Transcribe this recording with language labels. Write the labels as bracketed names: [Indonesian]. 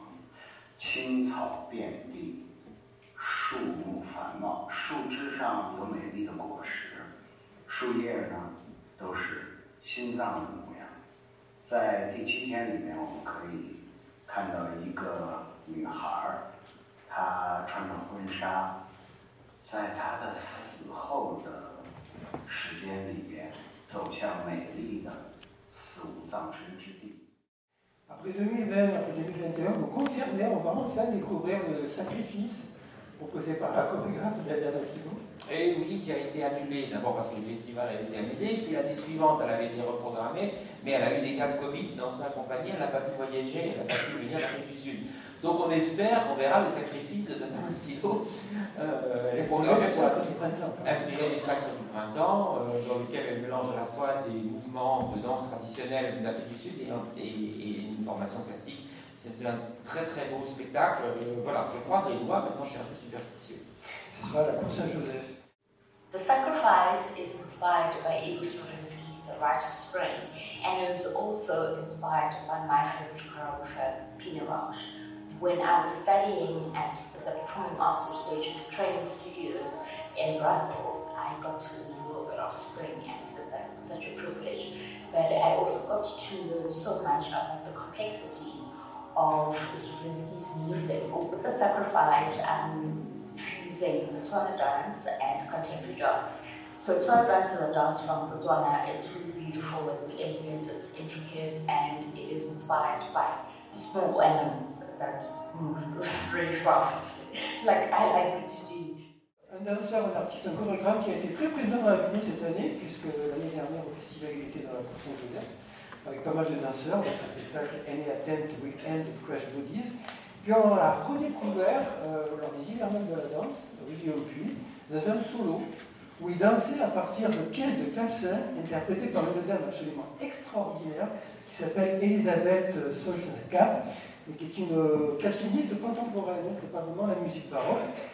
[Chinese] 讲述了现实的真实和荒诞，讲述了生命的幸福和苦难，讲述了眼泪的丰富和宽广，讲述了比恨更绝望、比死更冷酷的现实存在。在第七天里面，我们可以看到水在流淌，青草遍地。树木繁茂，树枝上有美丽的果实，树叶呢都是心脏的模样。在第七天里面，我们可以看到一个女孩，她穿着婚纱，在她的死后的时间里面，走向美丽的死无葬身之地。 [French] Après 2020, après 2021, on confirme, on va enfin découvrir le sacrifice proposé par la chorégraphe Nadia Massimo. Et oui, qui a été annulée, d'abord parce que le festival a été annulé, puis l'année suivante, elle avait été reprogrammée, mais elle a eu des cas de Covid dans sa compagnie, elle n'a pas pu voyager, elle n'a pas pu venir à l'Afrique du Sud. Donc on espère, on verra le sacrifice de Nadia Massimo. Inspiré du Sacre du Printemps, dans lequel elle mélange à la fois des mouvements de danse traditionnelle d'Afrique du Sud et une formation classique. C'est un très très beau spectacle. Voilà, je crois les doigts, maintenant je suis un peu superstitieux. Ce sera la Cour Saint-Joseph. [English] The Sacrifice is inspired by Igor Stravinsky's The Rite of Spring, and it is also inspired by my favorite choreographer, Pina Roche. When I was studying at the Performing Arts Research and Training Studios in Brussels, I got to learn a little bit of Spring, and that was such a privilege. But I also got to learn so much about the complexities of Stravinsky's music, with The Sacrifice, fusing the Tuana dance and contemporary dance. So Tuana dance is a dance from the Tuana. It's really beautiful, it's elegant, it's intricate, and it is inspired by small animals that move really fast, like I like it to do. [French] Un danseur, un artiste, un chorégraphe qui a été très présent avec nous cette année, puisque l'année dernière au festival il était dans la course Saint-Joseph, avec pas mal de danseurs, dans un spectacle Any Attempt Will End Crash Bodies. Puis on l'a redécouvert lors des hivernales de la danse, Rudy Opuy, dans un solo, où il dansait à partir de pièces de clavecin interprétées par une dame absolument extraordinaire qui s'appelle Elisabeth Solchenkamp, et qui est une claveciniste contemporaine, donc ce n'est pas vraiment la musique baroque.